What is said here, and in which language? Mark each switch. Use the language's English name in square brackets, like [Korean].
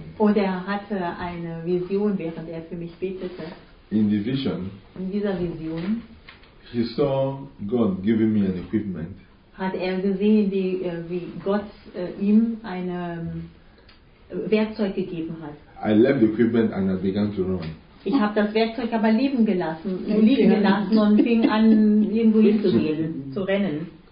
[German] Oder er hatte eine Vision, während er für mich betete. [English] In the vision, [German] in dieser Vision, [English] he saw God giving me an equipment. [German] Hat er gesehen, wie, wie Gott ihm ein Werkzeug gegeben hat. [English] I left the equipment and I began to run. [German] Ich habe das Werkzeug aber liegen gelassen und fing an, irgendwo hinzugehen, zu rennen.